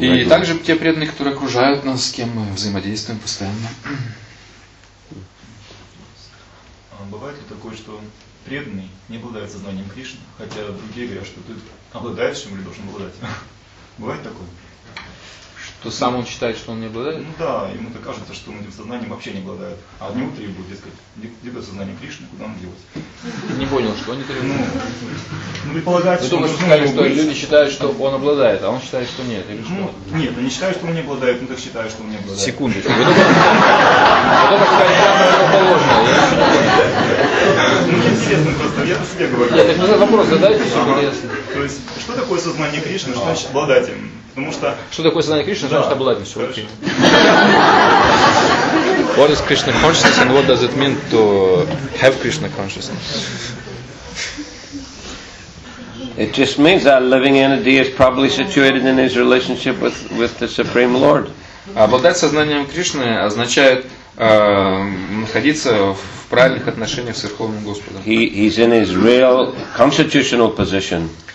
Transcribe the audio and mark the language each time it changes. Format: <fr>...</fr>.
<ru>И также те преданные, которые окружают нас, с кем мы взаимодействуем постоянно. Бывает ли такое, что преданный не обладает сознанием Кришны, хотя другие говорят, что ты обладаешь чем или должен обладать? Бывает такое? Что сам он считает, что он не обладает? Ну да, ему так кажется, что он этим сознанием вообще не обладает. А от него требует, дескать, где-то сознание Кришны, куда он делся. Не понял, что они требуют. Ну, предполагается, что... Вы сказали, что люди считают, что он обладает, а он считает, что нет, или что? Нет, они считают, что он не обладает, но так считают, что он не обладает. Секундочку. Вы только сказали, что это положено. Ну, интересно просто, я по себе говорю. Нет, так нужно вопрос задать, если бы то есть, что такое сознание Кришны, что значит обладать им? Потому что... Что такое сознание Кришны, да. Значит обладание всего.</ru> <en>What is Krishna consciousness and what does it mean to have Krishna consciousness? It just means that living entity is probably situated in his relationship with the Supreme Lord.</en> <ru>Обладать сознанием Кришны означает находиться в правильных отношениях с Верховным Господом.</ru> <en>He's in his real constitutional position.</en>